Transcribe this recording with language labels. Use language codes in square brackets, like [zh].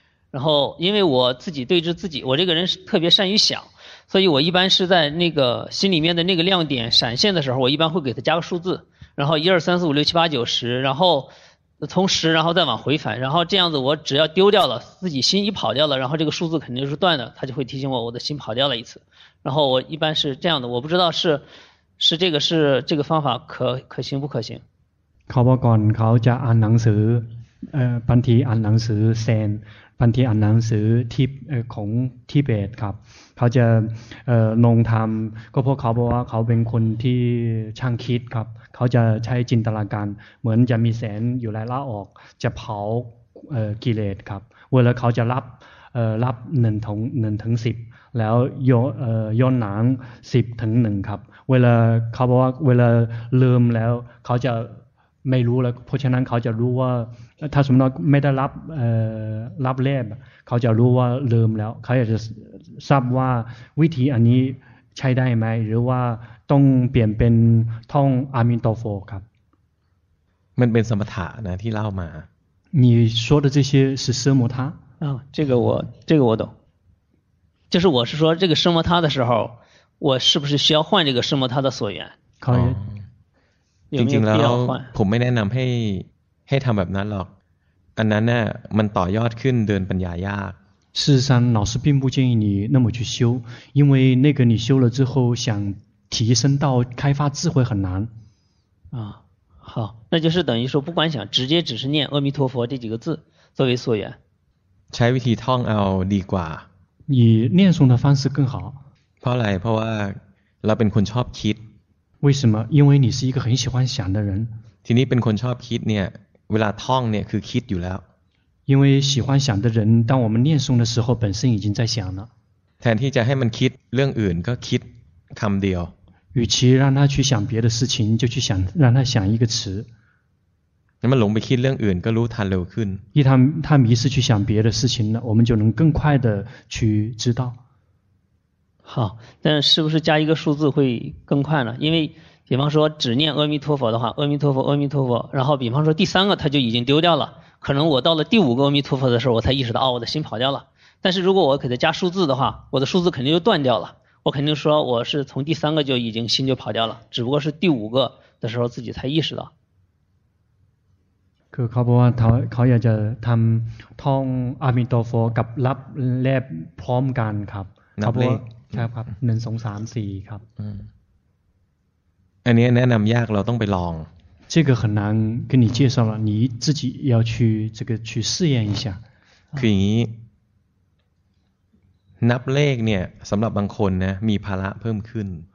[zh] 然后因为我自己对着自己我这个人是特别善于想所以我一般是在那个心里面的那个亮点闪现的时候我一般会给它加个数字然后一二三四五六七八九十然后从十然后再往回返然后这样子我只要丢掉了自己心一跑掉了然后这个数字肯定是断的它就会提醒我的心跑掉了一次然后我一般是这样的我不知道是这个是这个方法可行不可行 [th] เขาบอกก่อนเขาจะอ่านหนังสือบางทีอ่านหนังสือเซนบางทีอ่านหนังสือที่ของทิเบตครับเขาจะลงทำก็เพราะเขาบอกว่าเขาเป็นคนที่ช่างคิดครับเขาจะใช้จินตนาการเหมือนจะมีแสงอยู่ไล่ล่าออกจะเผากิเลสครับเวลาเขาจะรับหนึ่งถึงสิบแล้ว ย้อนหนังสิบถึงหนึ่งครับเวลาเขาบอกว่าเวลาลืมแล้วเขาจะไม่รู้แล้วเพราะฉะนั้นเขาจะรู้ว่าถ้าสมมติไม่ได้รับแรกเขาจะรู้ว่าลืมแล้วเขาอยากจะทราบว่าวิธีอันนี้ใช้ได้ไหมหรือว่าต้องเปลี่ยนเป็นท่องอามินโตโฟครับ มันเป็นสมถะนะที่เล่ามา [zh] 你说的这些是奢摩他啊这个我懂就是我是说这个奢摩他的时候我是不是需要换这个奢摩他的所缘可以 [th] จริงๆแล้วผมไม่แนะนำให้ทำแบบนั้นหรอกอันนั้นน่ะมันต่อยอดขึ้นเดินปัญญายาก [zh] 事实上老师并不建议你那么去修因为那个你修了之后想提升到开发智慧很难啊好那就是等于说不管想直接只是念阿弥陀佛这几个字作为所缘 [th] ใช้วิธีท่องเอาดีกว่า [zh] 以念诵的方式更好 [th] เพราะอะไรเพราะว่าเราเป็นคนชอบคิด [zh] 为什么因为你是一个很喜欢想的人 [th] ทีนี้เป็นคนชอบคิดเนี่ยเวลาท่องเนี่ยคือคิดอยู่แล้ว [zh] 因为喜欢想的人当我们念诵的时候本身已经在想了 [th] แทนที่จะให้มันคิดเรื่องอื่นก็คิดคำเดียว [zh] 与其让他去想别的事情就去想让他想一个词那么 [th] หลงไปคิดเรื่องอื่นก็รู้ทันเร็วขึ้น [zh] 一旦他迷失去想别的事情了我们就能更快的去知道好但是不是加一个数字会更快呢因为比方说只念阿弥陀佛的话阿弥陀佛阿弥陀佛然后比方说第三个他就已经丢掉了可能我到了第五个阿弥陀佛的时候我才意识到哦，我的心跑掉了但是如果我给他加数字的话我的数字肯定就断掉了我肯定说我是从第三个就已经心就跑掉了，只不过是第五个的时候自己才意识到。 [th] คือเขาบอกว่าเขาอยากจะทำท่องอามิโตโฟกับรับแลบพร้อมกันครับเขาบอกครับครับหนึ่งสองสามสี่ครับ อันนี้แนะนำยากเราต้องไปลอง [zh] 这个很难跟你介绍了，你自己要去这个去试验一下。 [th] คืออย่างนี้นับเลขเนี่ยสำหรับบางคนนะมีภาระเพิ่มขึ้น